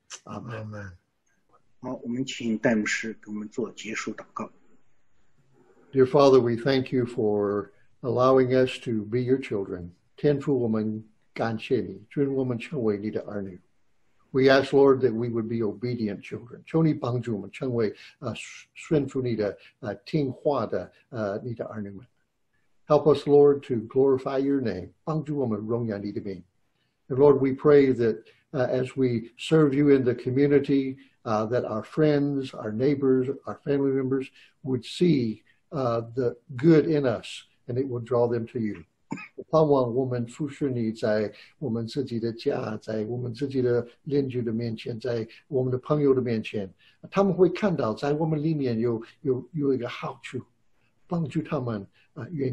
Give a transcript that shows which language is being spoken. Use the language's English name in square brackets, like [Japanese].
[English] Amen. [Chinese] 好，我们请戴牧师给我们做结束祷告。 [English] Dear Father, we thank you for allowing us to be your children. [Chinese] 天父，我们感谢你，主，我们成为你的儿女。 [English] We ask, Lord, that we would be obedient children. [Chinese] 求你帮助我们成为顺服你的、听话的、你的儿女们。 [English] Help us, Lord, to glorify your name. [Chinese] 帮助我们荣耀你的名。 [English] And Lord, we pray that as we serve you in the community, that our friends, our neighbors, our family members would see the good in us, and it would draw them to you. [Chinese] 盼望我们服侍你在我们自己的家，在我们自己的邻居的面前，在我们的朋友的面前，他们会看到在我们里面有一个好处，帮助他们愿意来知道如何得到这样的一个祝福。